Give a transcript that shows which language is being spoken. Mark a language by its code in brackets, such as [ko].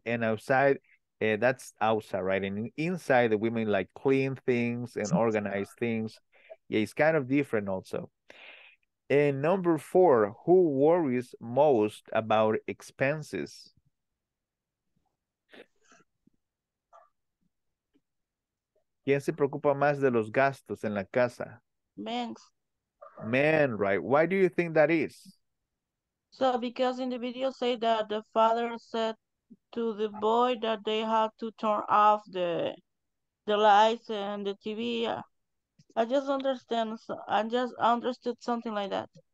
[en] And outside, that's outside, right? And inside, the women like clean things and organize things. Yeah, it's kind of different also. And number four, who worries most about expenses? [es] ¿Quién se preocupa más de los gastos en la casa? [en] Men. Men, right. Why do you think that is? So, because in the video say that the father said to the boy that they have to turn off the lights and the TV. I just understand. I just understood something like that.